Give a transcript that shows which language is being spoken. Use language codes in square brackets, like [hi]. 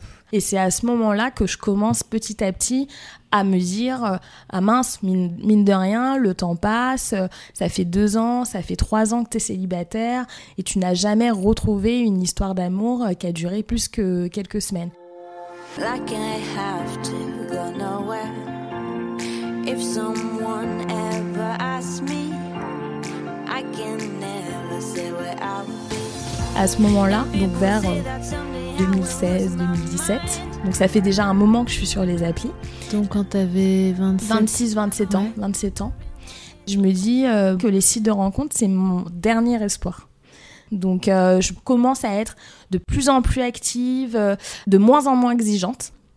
[fr] Et c'est à ce moment-là que je commence petit à petit à me dire, ah mince, mine de rien, le temps passe, ça fait 2 ans, ça fait 3 ans que t'es célibataire et tu n'as jamais retrouvé une histoire d'amour qui a duré plus que quelques semaines. [en] Like I have to go nowhere. If someone ever asks me, I can never say where I'll be. [fr] À ce moment-là, donc vers 2016-2017, donc ça fait déjà un moment que je suis sur les applis. Donc quand t'avais 26-27 ans, ouais. 27 ans, je me dis que les sites de rencontre, c'est mon dernier espoir. Donc je commence à être de plus en plus active, de moins en moins exigeante.